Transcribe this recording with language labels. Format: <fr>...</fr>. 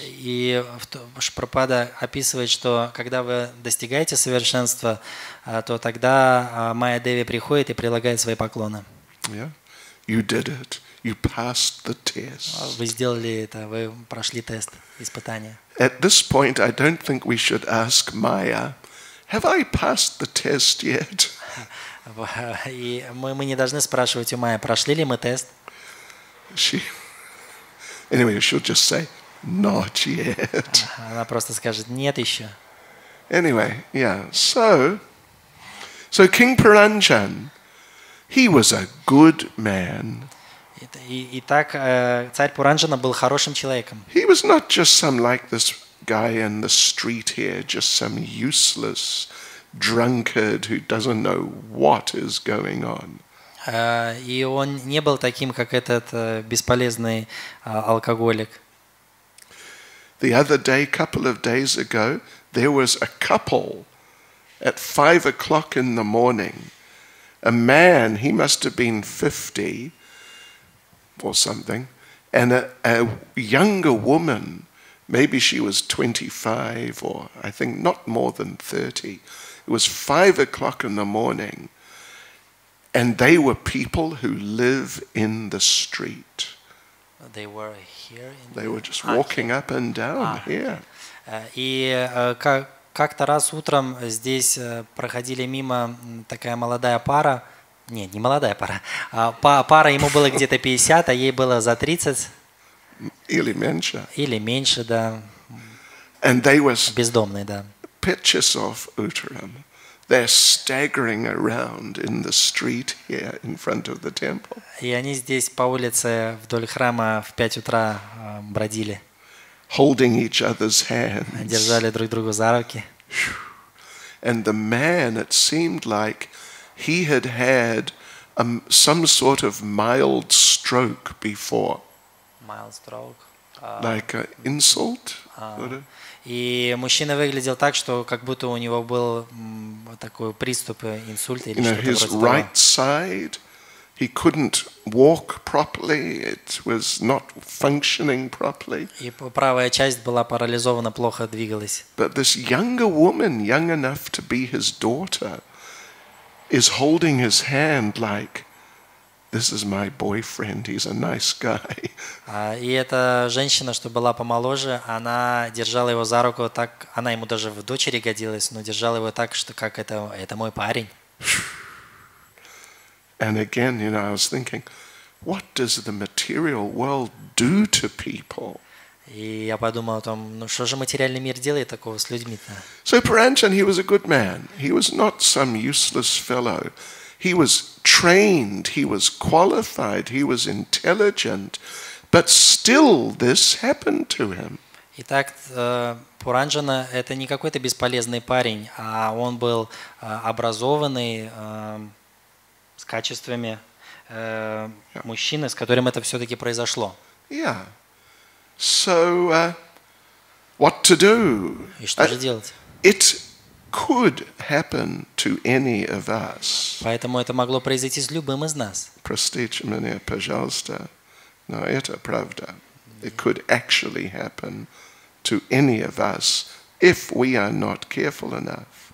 <ru>И Прабхупада описывает, что когда вы достигаете совершенства, то тогда Майя Деви приходит и предлагает свои поклоны.</ru> <en>You did it. You passed the test.</en> <ru>Вы сделали это, вы прошли тест, испытание.</ru> <en>At this point, I don't think we should ask Maya, "Have I passed the test yet?"</en> <ru>И мы не должны спрашивать у Майи, прошли ли мы тест.</ru> <en>Anyway, she'll just say, "Not yet."</en> <ru>Она просто скажет: "Нет еще."</ru> <en>Anyway, yeah. So King Paranjan, he was a good man.</en> <ru>Итак, царь Паранджана был хорошим человеком.</ru> <en>He was not just some like this guy in the street here, just some useless drunkard who doesn't know what is going on.</en> <ru>И он не был таким, как этот бесполезный алкоголик.</ru> <en>The other day, couple of days ago, there was a couple at 5 o'clock in the morning. A man, he must have been 50 or something, and a younger woman, maybe she was 25 or I think not more than 30. It was 5 o'clock in the morning. And they were people who live in the street. They were here. They were just walking up and down here.</en> <ru>И как-то раз утром здесь проходили мимо такая молодая пара. Нет, не молодая пара. Пара, ему было где-то 50, а ей было за 30. Или меньше. Или меньше, да.</ru> <en>And they were</en> <ru>бездомные, да.</ru> <en>Pictures of Uttaram. They're staggering around in the street here in front of the temple.</en> <ru>И они здесь по улице вдоль храма в 5 утра бродили.</ru> <en>Holding each other's hands.</en> <ru>Держали друг друга за руки.</ru> <en>And the man, it seemed like he had had some sort of mild stroke before. Mild stroke. like an insult.</en> <ru>И мужчина выглядел так, что как будто у него был такой приступ инсульта или что-то вроде того.</ru> <en>Right side, he couldn't walk properly. It was not functioning properly.</en> <ru>И правая часть была парализована, плохо двигалась.</ru> <en>But this younger woman, young enough to be his daughter, is holding his hand like, this is my boyfriend. He's a nice guy.</en> <ru>И эта женщина, что была помоложе, она держала его за руку так, она ему даже в дочери годилась, но держала его так, что как это мой парень.</ru> <en>And again, you know, I was thinking, what does the material world do to people?</en> <ru>И я подумал о том, ну что же материальный мир делает такого с людьми-то?</ru> <en>So Paranjan, he was a good man. He was not some useless fellow. He was trained, he was qualified, he was intelligent, but still this happened to him.</en> <ru>Итак, Паранджана – это не какой-то бесполезный парень, а он был образованный, с качествами мужчины, с которым это все-таки произошло.</ru> <en>Yeah. So, what to do?</en> <ru>И что же делать?</ru> <en>It could happen to any of us.</en> <ru>Поэтому это могло произойти с любым из нас. Простите меня, пожалуйста, но это правда.</ru> <en>It could actually happen to any of us if we are not careful enough.</en>